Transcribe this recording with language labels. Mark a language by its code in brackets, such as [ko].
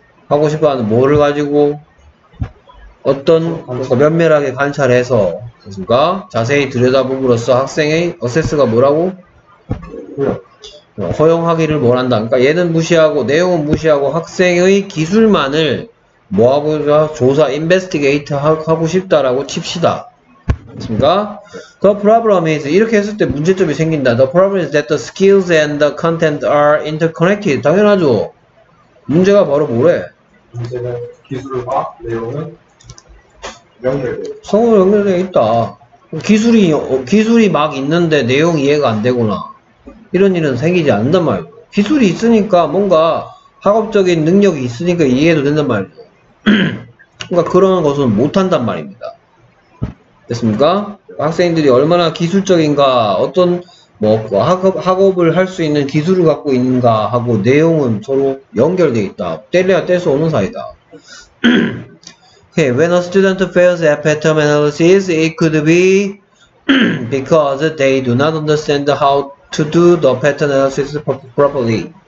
[ko] 하고 싶어 하는 뭐를 가지고 어떤 면밀하게 관찰해서 그러니까 자세히 들여다보므로써 학생의 어세스가 뭐라고? 허용하기를 원한다. 그러니까 얘는 무시하고 내용은 무시하고 학생의 기술만을 뭐하고자 조사, 인베스티게이트 하고 싶다라고 칩시다. 됐습니까? [en] The problem is, [ko] 이렇게 했을 때 문제점이 생긴다. [en] The problem is that the skills and the content are interconnected. [ko] 당연하죠. 문제가 바로 뭐래? 문제는 기술과 내용은 연결돼. 성으로 연결되어 있다. 기술이 막 있는데 내용이 이해가 안 되거나 이런 일은 생기지 않는단 말이야. 기술이 있으니까 뭔가 학업적인 능력이 있으니까 이해도 된단 말이야. 그러니까 그런 것은 못한단 말입니다. 됐습니까? 학생들이 얼마나 기술적인가, 어떤 뭐 학업을 할 수 있는 기술을 갖고 있는가 하고 내용은 서로 연결되어 있다. 뗄래야 뗄 수 없는 사이다. [en] Okay, when a student fails a pattern analysis, it could be because they do not understand how to do the pattern analysis properly.